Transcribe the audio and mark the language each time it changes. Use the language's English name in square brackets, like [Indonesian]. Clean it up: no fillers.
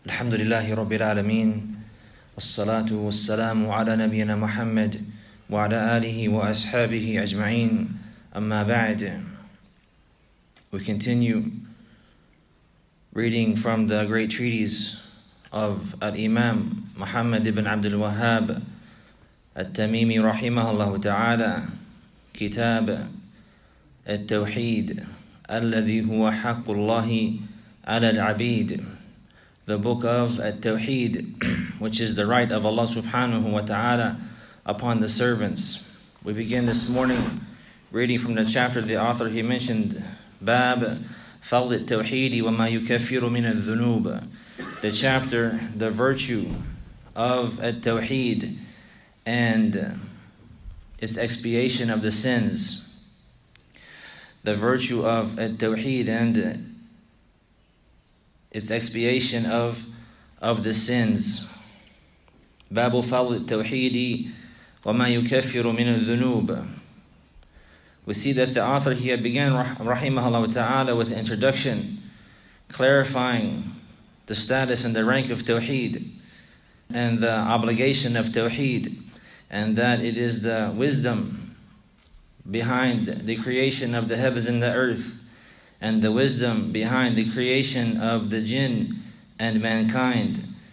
[Arabic] الحمد لله رب العالمين والصلاة والسلام على نبينا محمد وعلى آله وأصحابه أجمعين أما بعد. [English] We continue reading from the great treatise of Al-Imam Muhammad ibn Abdul Wahhab Al-Tamimi [Arabic] رحمه الله تعالى كتاب التوحيد الذي هو حق الله على العبيد. [English] The book of At-Tawheed, which is the right of Allah subhanahu wa ta'ala upon the servants. We begin this morning reading from the chapter the author he mentioned, Bab Fadl At-Tawheed wa ma yukaffiru min al-dhunub, the chapter, the virtue of At-Tawheed and its expiation of the sins. The virtue of At-Tawheed and its expiation of the sins. [Arabic] باب فضل التوحيد وما يكفر من الذنوب. [English] We see that the author here began [Arabic] رحمه الله تعالى [English] with an introduction clarifying the status and the rank of Tawheed and the obligation of Tawheed, and that it is the wisdom behind the creation of the heavens and the earth, and the wisdom behind the creation of the jinn and mankind.